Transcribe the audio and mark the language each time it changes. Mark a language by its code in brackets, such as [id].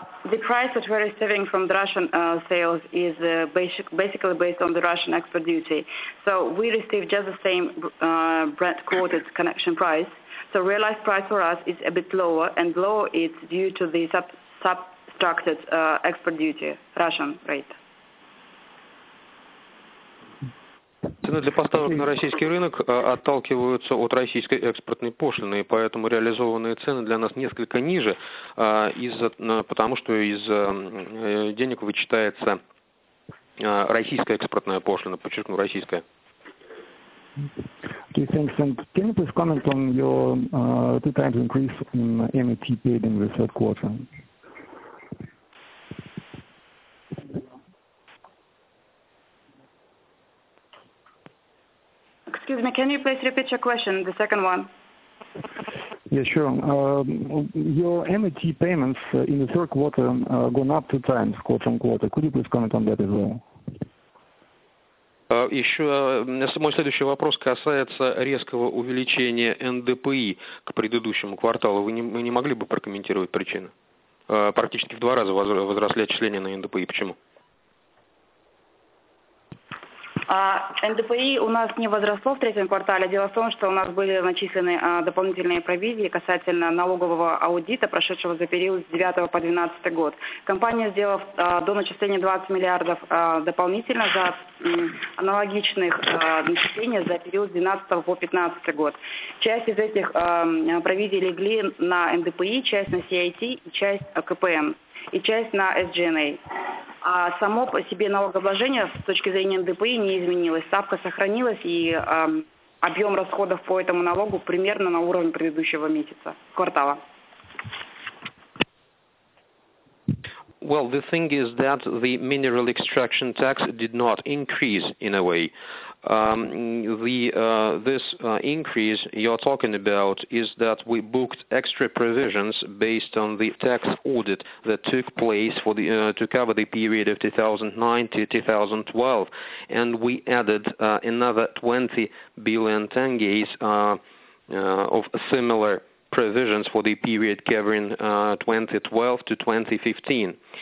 [en] The price that we're receiving from the Russian sales is basically based on the Russian export duty. So we receive just the same Brent-quoted connection price. So realized price for us is a bit lower, and lower is due to the subtracted export duty, Russian rate. [ru] Цены для поставок на российский рынок отталкиваются от российской экспортной пошлины, и поэтому реализованные цены для нас несколько ниже, потому что из денег вычитается российская экспортная пошлина, подчеркну, российская. [en] Okay, thanks. And can you please comment on your two times increase in MET paid in the third quarter? Excuse me, can you please repeat your question, the second one? Yeah, sure. Your MET payments in the third quarter gone up two times quarter on quarter. Could you please comment on that as well? [ru] Еще мой следующий вопрос касается резкого увеличения НДПИ к предыдущему кварталу. Вы не могли бы прокомментировать причину? Практически в два раза возросли отчисления на НДПИ. Почему? НДПИ у нас не возросло в третьем квартале. Дело в том, что у нас были начислены дополнительные провизии касательно налогового аудита, прошедшего за период с 2009 по 2012 год. Компания сделала до начисления 20 миллиардов дополнительно за аналогичных начислений за период с 2012 по 2015 год. Часть из этих провизий легли на НДПИ, часть на CIT, часть КПН и часть на SG&A. А само по себе налогообложение с точки зрения НДПИ не изменилось. Ставка сохранилась, и объем расходов по этому налогу примерно на уровне предыдущего месяца, квартала. [en] Well, the thing is that the mineral extraction tax did not increase in a way. This increase you're talking about is that we booked extra provisions based on the tax audit that took place for the to cover the period of 2009 to 2012, and we added another 20 billion tenges of similar provisions for the period covering 2012 to 2015.